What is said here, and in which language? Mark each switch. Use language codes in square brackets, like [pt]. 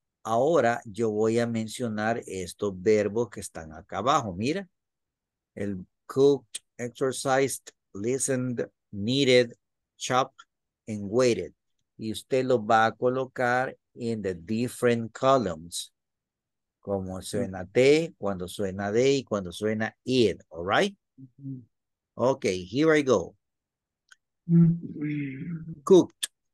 [es] Ahora yo voy a mencionar estos verbos que están acá abajo. Mira. [en] El cooked, exercised, listened, kneaded, chopped, and waited. [es] Y usted lo va a colocar [en] in the different columns. [es] Como suena T, cuando suena D, y cuando suena I, [en] all right? Mm-hmm. Okay, here I go. Mm-hmm. Cooked.